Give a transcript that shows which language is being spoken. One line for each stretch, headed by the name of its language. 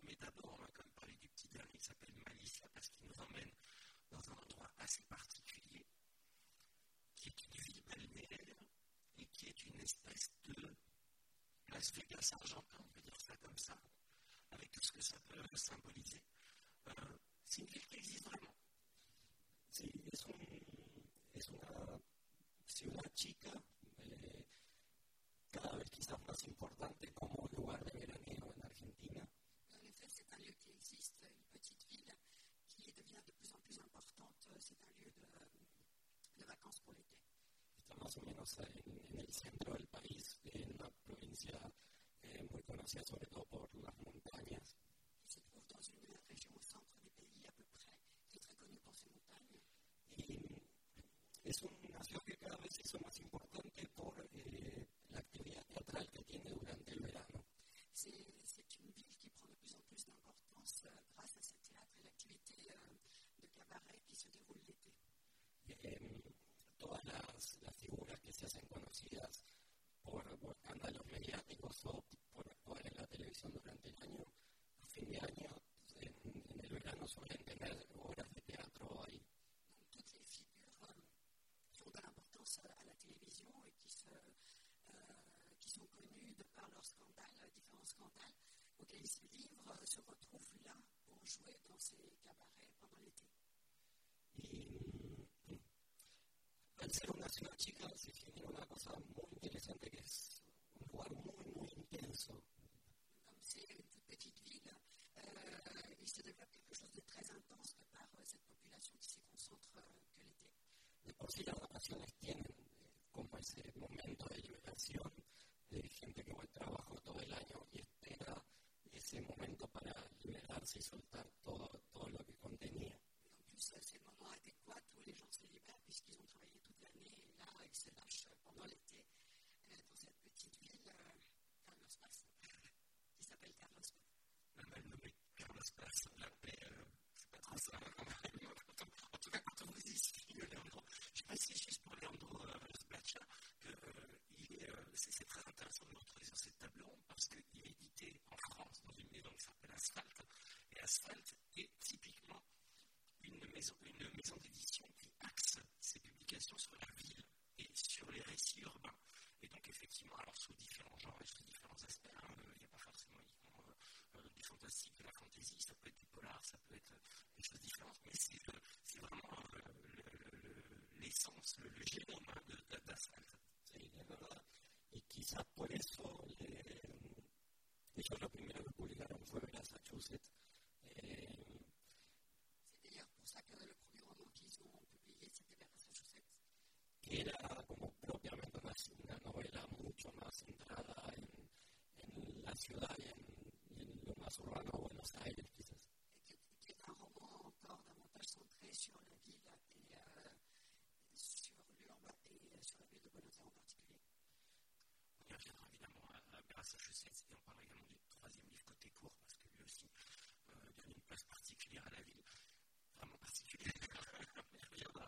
French: Mais d'abord, on va quand même parler du petit dernier qui s'appelle Malicia parce qu'il nous emmène dans un endroit assez particulier. Qui est une ville balnéaire et qui est une espèce de Las Vegas argentin, on peut dire ça comme ça, avec tout ce que ça peut symboliser. C'est une ville qui existe vraiment. C'est une
Spanish: chica, mais cada vez quizás más importante como lugar de veraneo en Argentina.
French: En effet, c'est un lieu qui existe.
Spanish: más o menos en el centro del país, en una provincia muy conocida sobre todo por las montañas. Es una ciudad que cada vez se hizo más importante por la actividad teatral que tiene durante el verano.
French: C'est une ville qui prend de plus en plus d'importance grâce à ce théâtre et l'activité de cabaret qui se déroule l'été.
Spanish: Todas las figuras que se hacen conocidas por escándalos mediáticos o por actuar en la televisión durante el año, a fin de año, en el verano suelen tener obras de teatro ahí.
French: Toutes les figures qui ont de l'importance à la télévision et qui sont connues de par leurs scandales, différents scandales auxquels ils se livrent, se retrouvent là pour jouer dans ces cabarets pendant l'été.
Spanish: Al ser una ciudad chica, se tiene una cosa muy interesante que es un lugar muy, muy intenso. Como si es una
French: petite ville, se développe quelque chose de très intense de par cette population qui se concentre que l'été.
Spanish: De por sí, las vacaciones tienen como ese momento de liberación de gente que va al trabajo todo el año y espera ese momento para liberarse y soltar todo lo que contenía.
French: C'est le moment adéquat où les gens se libèrent puisqu'ils ont travaillé toute l'année et là ils se lâchent pendant l'été dans cette petite ville Carlos Paz qui s'appelle Carlos Paz. Même le nom Carlos Paz, la paix, c'est pas trop ça. En tout cas, quand on vous dit ce qu'il y a Leandro, je sais pas si c'est juste pour Leandro Los Bacha, c'est très intéressant de le retrouver sur cette table ronde parce qu'il est édité en France dans une maison qui s'appelle Asphalt et Asphalt est typiquement une maison d'édition qui axe ses publications sur la ville et sur les récits urbains. Et donc, effectivement, alors sous différents genres et sous différents aspects, il n'y a pas forcément du fantastique, de la fantaisie, ça peut être du polar, ça peut être des choses différentes, mais c'est vraiment l'essence, le génome d'Asphalt.
Spanish: Et quizá por eso, ellos lo primero que publicaron fue en Massachusetts.
French: Le premier roman qu'ils ont publié, c'était vers Massachusetts.
Spanish: Qui era como propiamente una novela mucho más centrada en la ciudad y en lo más urbano, Buenos Aires, quizás.
French: Qui est un roman encore davantage centré sur la ville et sur l'urbain et sur la ville de Buenos Aires en particulier. On y reviendra évidemment à Massachusetts et on parle également du troisième livre Côté Court parce que lui aussi donne une place particulière à la ville. Vraiment particulier. Il y en a.